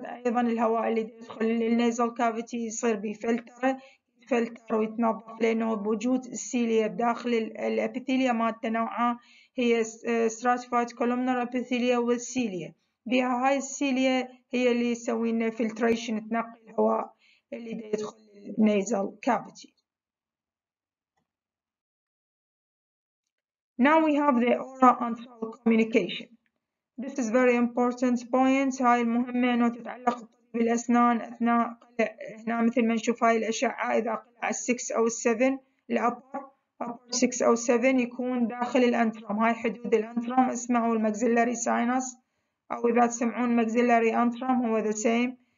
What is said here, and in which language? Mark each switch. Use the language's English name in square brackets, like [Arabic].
[Arabic] أيضا الهواء اللي يدخل للنيزل كافيتي يصير بفلتره، يتفلتر ويتنظف، لأنه بوجود السيليا بداخل الأبيثيليا مالته نوعها هي stratified columnar epithelia والسيليا بها. هاي السيليا هي اللي يسوي لنا filtration، تنقي الهواء اللي دا يدخل النيزل كافيتي. [English] Now we have the oral and oral communication. This is very important point. [Arabic] هاي المهمة انه تتعلق بالأسنان أثناء قلع. هنا مثل ما نشوف هاي الأشعة، إذا قلع الـ 6 أو الـ 7 الـ upper 6 أو 7 يكون داخل الأنترام. هاي حدود الأنترام، اسمعوا المكزيلاري ساينس أو إذا تسمعون مكزيلاري أنترام هو [English] the same.